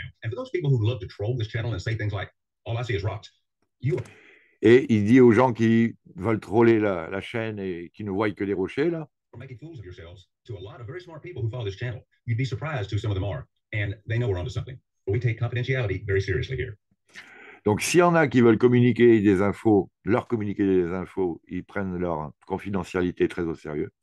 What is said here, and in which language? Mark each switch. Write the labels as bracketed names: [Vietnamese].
[English] And for those people who love to troll this channel and say things like, all I see is rocks, you are... [French] Et il dit aux gens qui veulent troller la chaîne et qui ne voient que les rochers, là. [English] For making fools of yourselves to a lot of very smart people who follow this channel, you'd be surprised who some of them are. And they know we're onto something. We take confidentiality very seriously here. [French] Donc, s'il y en a qui veulent communiquer des infos, leur communiquer des infos, ils prennent leur confidentialité très au sérieux.